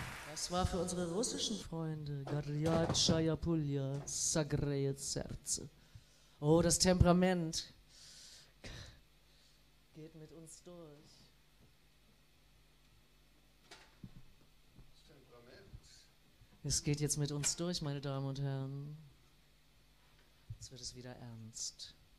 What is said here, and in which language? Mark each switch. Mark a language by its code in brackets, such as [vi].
[de] Das war für unsere russischen Freunde. [ru] Горячая пуля согреет сердце. [de] Oh, das Temperament geht mit uns durch. Das Temperament. Es geht jetzt mit uns durch, meine Damen und Herren. Jetzt wird es wieder ernst.